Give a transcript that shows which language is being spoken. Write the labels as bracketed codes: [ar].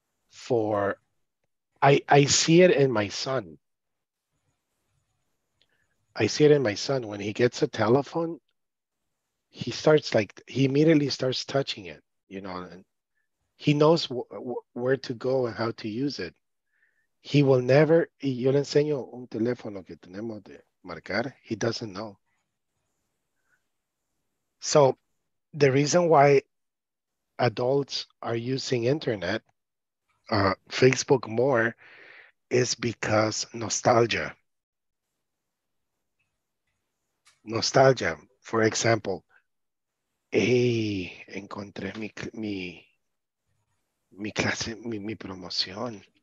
[en] For, I see it in my son. I see it in my son. When he gets a telephone, he starts like, he immediately starts touching it, you know, and he knows where to go and how to use it. He will never, [es] yo le enseño un teléfono que tenemos de marcar. [en] He doesn't know. So the reason why adults are using internet, Facebook more, is because nostalgia. [es] Nostalgia, [en] for example, hey, [es] encontré mi clase, mi promoción.